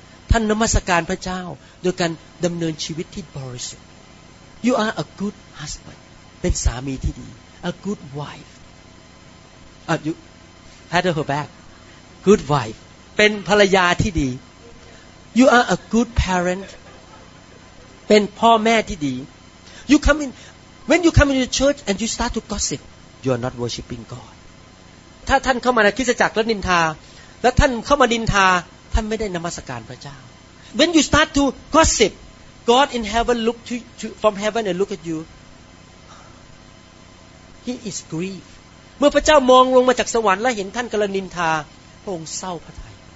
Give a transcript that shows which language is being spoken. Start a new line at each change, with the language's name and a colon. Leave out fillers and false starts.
Thai: ท่านนมัสการพระเจ้าโดยการดำเนินชีวิตที่บริสุทธิ์
English: You are a good husband.
Thai: เป็นสามีที่ดี
English: A good wife. You had her back. Good wife.
Thai: เป็นภรรยาที่ดี
English: You are a good parent.
Thai: เป็นพ่อแม่ที่ดี
English: You come in. When you come into the church and you start to gossip, you are not worshiping God.
Thai: ถ้าท่านเข้ามาในคริสตจักรแล้วนินทาแล้วท่านเข้ามานินทาท่านไม่ได้นมัสการพระเจ้า
English: When you start to gossip, God in heaven look from heaven and look at youHe is grieved.
Thai: เมื่อพระเจ้ามองลงมาจากสวรรค์และเห็นท่านกำลังนินทาพระองค์เศร้าพระทัย